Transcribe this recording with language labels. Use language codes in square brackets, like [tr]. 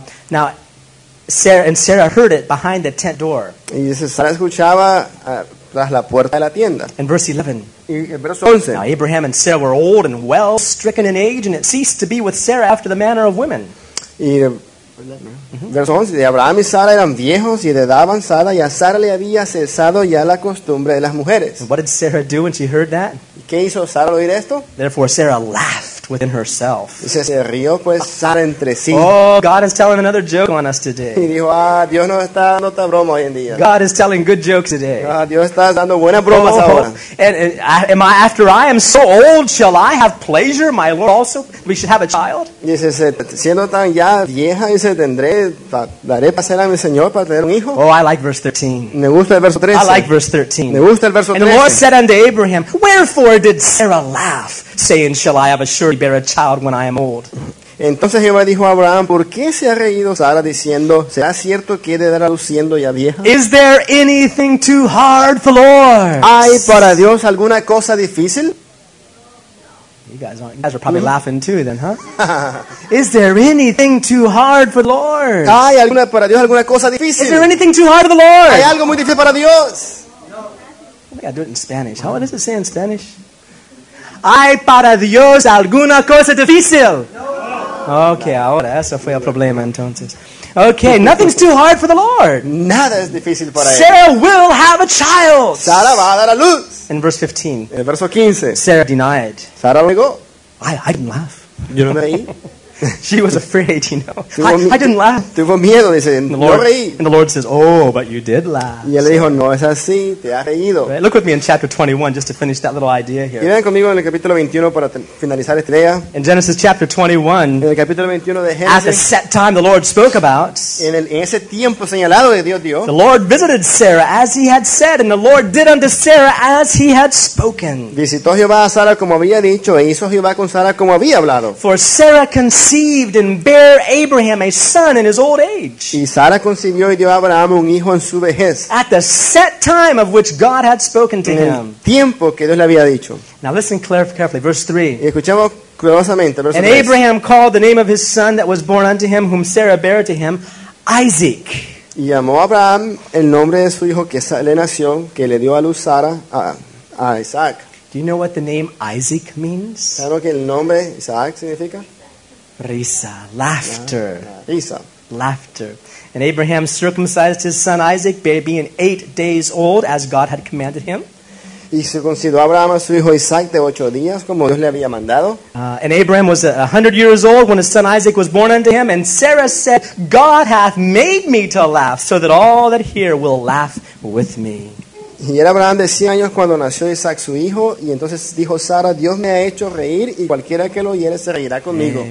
[en] Now Sarah heard it behind the tent door. [es] Y dice, Sara escuchaba tras la puerta de la tienda. [en] In verse 11. [es] Y el verso 11. [en] Now Abraham and Sarah were old and well stricken in age, and it ceased to be with Sarah after the manner of women. [es] Y verso 11, Abraham y Sara eran viejos y de edad avanzada, y a Sara le había cesado ya la costumbre de las mujeres. [en] What did Sarah do when she heard that? [es] ¿Qué hizo Sara al oír esto? [en] Therefore Sarah laughed within herself. [es] Dice, se rió pues Sara entre sí. [en] Oh, God is telling another joke on us today. [es] Y dijo, Dios nos está dando otra broma hoy en día. [en] God is telling good jokes today. [es] Dios está dando buenas bromas ahora. [en] After I am so old, shall I have pleasure, my Lord, also? We should have a child. [es] Dice, siendo tan ya vieja, dice, daré placer a mi Señor para tener un hijo. [en] Oh, I like verse 13. [es] Me gusta el verso 13. [en] I like verse 13. [es] Me gusta el verso 13. [en] And the Lord said unto Abraham, wherefore did Sarah laugh, saying, shall I have a surety bear a child when I am old? [es] Entonces Jehová dijo a Abraham, ¿por qué se ha reído Sara diciendo, será cierto que he de dar a luz siendo ya vieja? [en] Is there anything too hard for the Lord? [es] ¿Hay para Dios alguna cosa difícil? [en] You guys are probably laughing too then, huh? Is there anything too hard for the Lord? [es] ¿Hay alguna para Dios alguna cosa difícil? [en] Is there anything too hard for the Lord? [es] ¿Hay algo muy difícil para Dios? [en] No. I gotta do it in Spanish. How does it say in Spanish? [es] ¿Hay para Dios alguna cosa difícil? No. Okay, ahora eso fue el problema entonces. [en] Okay, nothing's too hard for the Lord. [es] Nada es difícil para [en] Sarah [es] él. [en] Sarah will have a child. [es] Sarah va a dar a luz. [en] In verse 15. [es] En verso 15. [en] Sarah denied. [es] Sarah lo negó. [en] I didn't laugh. [es] Yo no me reí. [en] She was afraid, you know. I didn't laugh. [es] Tuvo miedo, dice, [en] and the Lord, [es] no reí. [en] And the Lord says, oh, but you did laugh. [es] Y él le dijo, no es así, te has reído. [en] Right? Look with me in chapter 21, just to finish that little idea here. [es] Miren conmigo en el capítulo 21 para finalizar esta idea. [en] In Genesis chapter 21, [es] en el capítulo 21 de Génesis, [en] at the set time the Lord spoke about, [es] en el, en ese tiempo señalado de Dios dio, [en] the Lord visited Sarah as he had said, and the Lord did unto Sarah as he had spoken. [es] Visitó Jehová a Sara como había dicho, e hizo Jehová con Sara como había hablado. [en] For Sarah conceived and bare Abraham a son in his old age. [es] Y Sara concibió y dio a Abraham un hijo en su vejez. [en] At the set time of which God had spoken to him. [es] En el tiempo que Dios le había dicho. [en] Now listen carefully, verse 3. [es] Y escuchemos cuidadosamente, verso 3. [en] And Abraham called the name of his son that was born unto him, whom Sarah bare to him, Isaac. [es] Y llamó a Abraham el nombre de su hijo que le nació, que le dio a luz Sara, a Isaac. [en] Do you know what the name Isaac means? [es] ¿Sabes que el nombre Isaac significa? Risa, laughter. Risa. [en] Laughter. And Abraham circumcised his son Isaac, being 8 days old, as God had commanded him. [es] Y circuncidó Abraham a su hijo Isaac de 8 días, como Dios le había mandado. [en] And Abraham was 100 years old when his son Isaac was born unto him. And Sarah said, God hath made me to laugh, so that all that hear will laugh with me. [es] Y era Abraham de 100 años cuando nació Isaac su hijo, y entonces dijo Sara, Dios me ha hecho reír, y cualquiera que lo oyere se reirá conmigo.